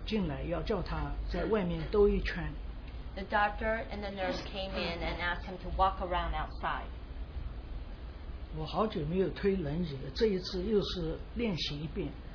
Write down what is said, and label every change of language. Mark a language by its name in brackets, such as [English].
[Chinese] 那医生、护士进来要叫他在外面兜一圈。 [English] The doctor and the nurse came in and asked him to walk around outside. [Chinese] 我好久没有推轮椅了，这一次又是练习一遍。